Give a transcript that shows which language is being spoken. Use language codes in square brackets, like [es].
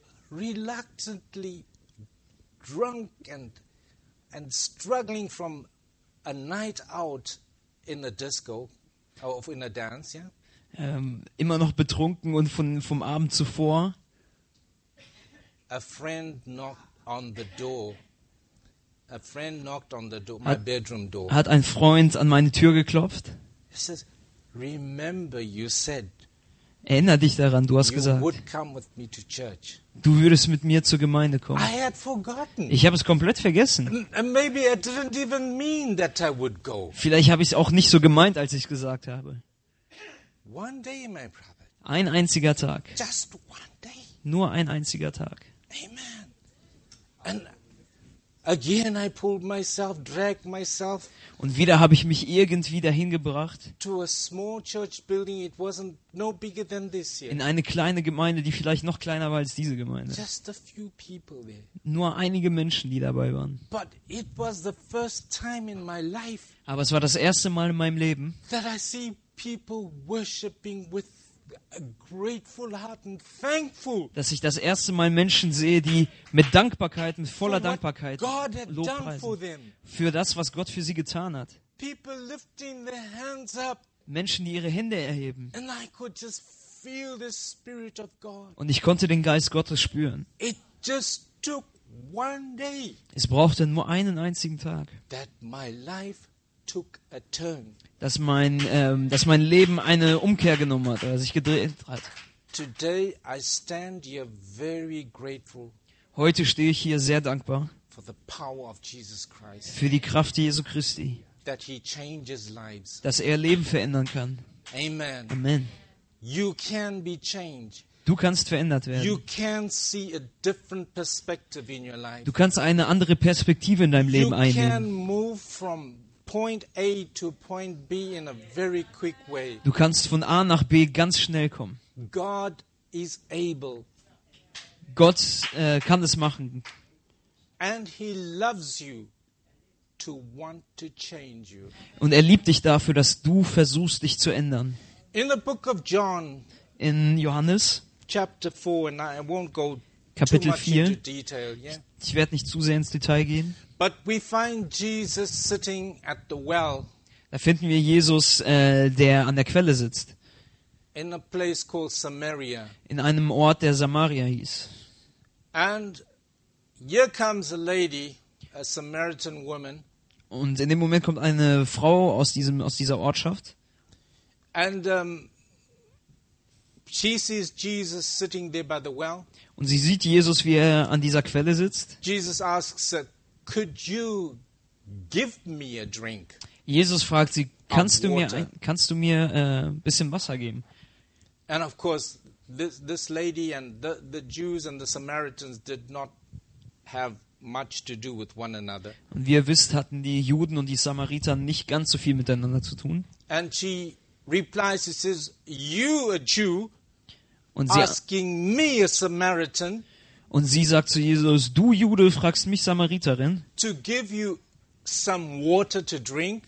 [en] Reluctantly drunk and struggling from a night out in a disco or in a dance, yeah. [de] Immer noch betrunken und vom Abend zuvor. [en] A friend knocked on the door. A friend knocked on the door, my bedroom door. [de] Hat ein Freund an meine Tür geklopft. [en] He says, "Remember, you said." [de] Erinner dich daran, du hast gesagt. [en] You would come with me to church. [de] Du würdest mit mir zur Gemeinde kommen. [en] I had forgotten. [de] Ich habe es komplett vergessen. [en] Maybe I didn't even mean that I would go. [de] Vielleicht habe ich es auch nicht so gemeint, als ich gesagt habe. [en] One day, my brother. [de] Ein einziger Tag. [en] Just one day. [de] Nur ein einziger Tag. Amen. [en] And again I pulled myself, dragged myself. [de] Und wieder habe ich mich irgendwie dahin gebracht. [en] To a small church building, it wasn't no bigger than this here. [de] In eine kleine Gemeinde, die vielleicht noch kleiner war als diese Gemeinde. [en] Just a few people there. [de] Nur einige Menschen, die dabei waren. [en] But it was the first time in my life. [de] Aber es war das erste Mal in meinem Leben. [en] That I see people worshiping with a grateful heart and thankful. [de] Dass ich das erste Mal Menschen sehe, die mit Dankbarkeit, mit voller Dankbarkeit lobpreisen. Für das, was Gott für sie getan hat. [en] People lifting their hands up. [de] Menschen, die ihre Hände erheben. [en] And I could just feel the Spirit of God. [de] Und ich konnte den Geist Gottes spüren. [en] It just took one day. [de] Es brauchte nur einen einzigen Tag. [en] That my life took a turn. [de] Dass mein Leben eine Umkehr genommen hat oder sich gedreht hat. [en] Today I stand here very grateful. [de] Heute stehe ich hier sehr dankbar. [en] For the power of Jesus Christ. [de] Für die Kraft Jesu Christi. [en] That he changes lives. [de] Dass er Leben verändern kann. Amen. Amen. [en] You can be changed. [de] Du kannst verändert werden. [en] You can see a different perspective in your life. [de] Du kannst eine andere Perspektive in deinem Leben einnehmen. [en] You can move from point A to point B in a very quick way. [de] Du kannst von A nach B ganz schnell kommen. [en] God is able. [de] Gott kann es machen. [en] And he loves you. To want to change you. [de] Und er liebt dich dafür, dass du versuchst, dich zu ändern. [en] In the book of John, [de] in Johannes, [en] chapter 4, and I won't go [de] Kapitel 4, [en] too much into detail, yeah? [de] Ich werde nicht zu sehr ins Detail gehen. [en] But we find Jesus sitting at the well, [de] da finden wir Jesus, der an der Quelle sitzt. [en] In a place called Samaria. [de] In einem Ort, der Samaria hieß. [en] And here comes a lady. A Samaritan woman. [de] Und in dem Moment kommt eine Frau aus dieser Ortschaft. [en] And she sees Jesus sitting there by the well. [de] Und sie sieht Jesus, wie er an dieser Quelle sitzt. [en] Jesus asks her, "Could you give me a drink?" [de] Jesus fragt sie, kannst du mir ein bisschen Wasser geben? [en] And of course, this lady and the Jews and the Samaritans did not have much to do with one another. [de] Und wie ihr wisst, hatten die Juden und die Samariter nicht ganz so viel miteinander zu tun. [en] And she replies, she says, "You a Jew, [de] und sie [en] asking me a Samaritan?" [de] Und sie sagt zu Jesus, du Jude fragst mich Samariterin, [en] to give you some water to drink,